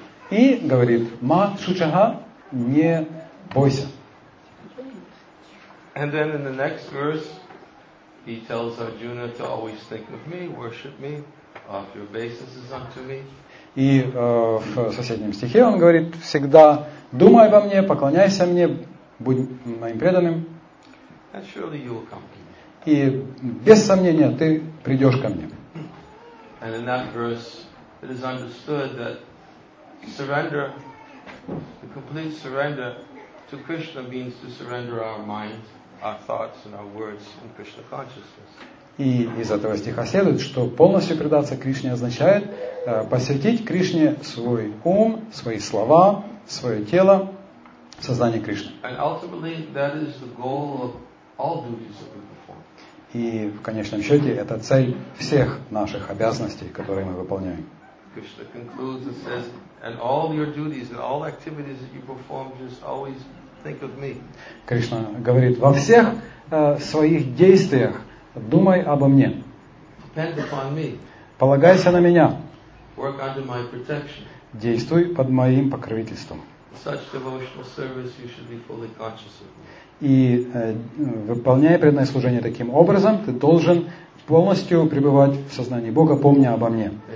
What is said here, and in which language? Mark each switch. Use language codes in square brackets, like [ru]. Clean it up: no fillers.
[ru] И говорит, [sa] ма шучага, [ru] не бойся. [en] And then in the next verse, he tells Arjuna to always think of me, worship me, offer your obeisances unto me. [ru] И в соседнем стихе он говорит, всегда думай обо мне, поклоняйся мне, будь моим преданным. [en] And surely you will come to me. [ru] И без сомнения ты придешь ко мне. [en] And in that verse, it is understood that surrender, the complete surrender to Krishna means to surrender our mind, our thoughts and our words in Krishna consciousness. [ru] И из этого стиха следует, что полностью предаться Кришне означает посвятить Кришне свой ум, свои слова, свое тело, сознание Кришны. [en] And ultimately, that is the goal of all duties that we perform. [ru] И в конечном счете, это цель всех наших обязанностей, которые мы выполняем. [en] Krishna concludes and says, and all your duties and all activities that you perform, just always think of me. [ru] Кришна говорит, во всех своих действиях думай обо мне. [en] Depend upon me. [ru] Полагайся на меня. [en] Work under my protection. [ru] Действуй под моим покровительством. [en] Such devotional service you should be fully conscious of. [ru] И выполняя преданное служение таким образом, ты должен полностью пребывать в сознании Бога, помня обо мне.